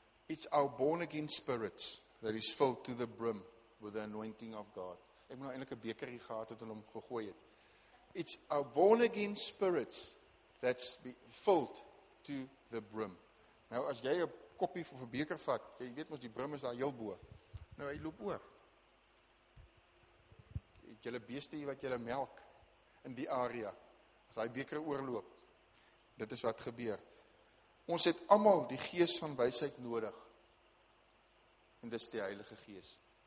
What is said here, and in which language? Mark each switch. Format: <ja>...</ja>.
<en>It's our born again spirits that is filled to the brim with the anointing of God.</en> <af>Ek moet nou eintlik 'n beker hier gehad het en hom gegooi het.</af> <en>It's our born again spirits that's filled to the brim.</en> <af>Nou, as jy 'n koppie of 'n beker vat, jy weet mos die brim is daar heel bo. Nou, hy loop oor. Het jylle beeste hier wat jylle melk in die area, as hy beker oorloop, dit is wat gebeur. Ons het allemaal die gees van wysheid nodig, en dit is die Heilige Gees.</af>